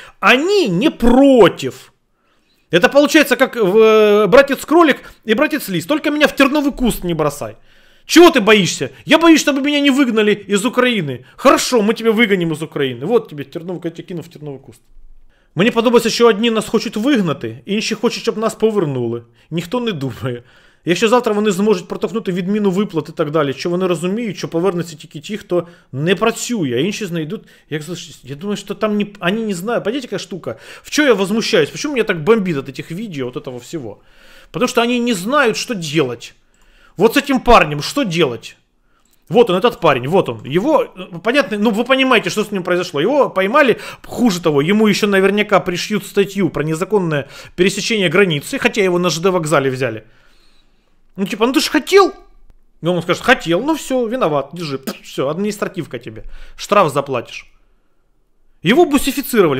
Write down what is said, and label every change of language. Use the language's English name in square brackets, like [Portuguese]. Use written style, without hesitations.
[Russian] Они не против. Это получается как братец кролик и братец лис, только меня в терновый куст не бросай. Чего ты боишься? Я боюсь, чтобы меня не выгнали из Украины. Хорошо, мы тебя выгоним из Украины, вот тебе терновый, я тебя кину в терновый куст. [Ukrainian] Мне подобається, що одні нас хочуть вигнати, інші хочуть, щоб нас повернули. Ніхто не думає. Якщо завтра вони зможуть протовхнути відміну виплат і так далі, що вони розуміють, що повернуться тільки ті, хто не працює, а інші знайдуть, як залишитися. Я думаю, що там не... Вони не знають. Понимаете, яка штука? В чому я возмущаюсь? Чому мене так бомбить від цих відео, от цього всього? Тому що вони не знають, що робити. От з цим парнем, що робити? [Russian] Вот он, этот парень, вот он. Его, понятно, ну вы понимаете, что с ним произошло. Его поймали, хуже того, ему еще наверняка пришьют статью про незаконное пересечение границы, хотя его на ЖД вокзале взяли. Ну типа, ну ты же хотел? И он скажет, хотел, ну все, виноват, держи, все, административка тебе, штраф заплатишь. Его бусифицировали.